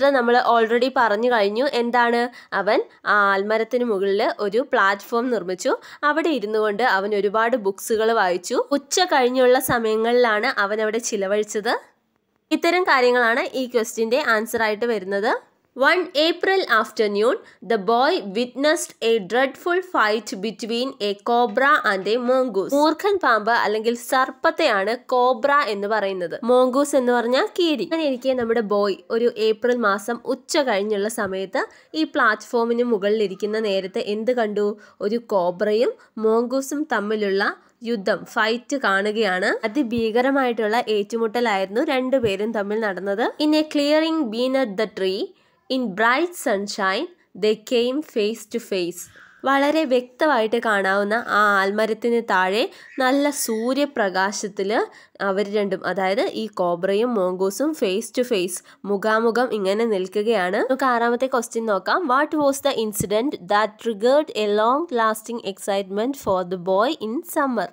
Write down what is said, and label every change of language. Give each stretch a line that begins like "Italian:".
Malayalam: നമ്മൾ ഓൾറെഡി പറഞ്ഞു കഴിഞ്ഞു എന്താണ്, അവൻ ആ ആൽമരത്തിന് മുകളിൽ ഒരു പ്ലാറ്റ്ഫോം നിർമ്മിച്ചു, അവിടെ ഇരുന്നു കൊണ്ട് അവൻ ഒരുപാട് ബുക്സുകൾ വായിച്ചു, ഉച്ച കഴിഞ്ഞുള്ള സമയങ്ങളിലാണ് അവൻ അവിടെ ചിലവഴിച്ചത്. ഇത്തരം കാര്യങ്ങളാണ് ഈ ക്വസ്റ്റ്യൻ്റെ ആൻസറായിട്ട് വരുന്നത്.
English: One April afternoon, the boy witnessed a dreadful fight between a cobra and a mongoose.
Malayalam: മൂർഖൻ പാമ്പ് അല്ലെങ്കിൽ സർപ്പത്തെയാണ് കോബ്ര എന്ന് പറയുന്നത്. മോങ്കൂസ് എന്ന് പറഞ്ഞാൽ കീരി. അങ്ങനെയിരിക്കെ നമ്മുടെ ബോയ് ഒരു ഏപ്രിൽ മാസം ഉച്ച കഴിഞ്ഞുള്ള സമയത്ത് ഈ പ്ലാറ്റ്ഫോമിന് മുകളിൽ ഇരിക്കുന്ന നേരത്തെ എന്ത് കണ്ടു? ഒരു കോബ്രയും മോങ്കൂസും തമ്മിലുള്ള യുദ്ധം, ഫൈറ്റ് കാണുകയാണ്. അതിഭീകരമായിട്ടുള്ള ഏറ്റുമുട്ടലായിരുന്നു രണ്ടുപേരും തമ്മിൽ നടന്നത്.
English: In a clearing beneath the tree, In bright sunshine, they came face to face.
Malayalam: വളരെ വ്യക്തമായിട്ട് കാണാവുന്ന ആ ആൽമരത്തിന് താഴെ നല്ല സൂര്യപ്രകാശത്തിൽ അവർ രണ്ടും, അതായത് ഈ കോബ്രയും മോങ്കൂസും, ഫേസ് ടു ഫേസ് മുഖാമുഖം ഇങ്ങനെ നിൽക്കുകയാണ്. നമുക്ക് ആറാമത്തെ ക്വസ്റ്റ്യൻ നോക്കാം.
English: What was the incident that triggered a long lasting excitement for the boy in summer?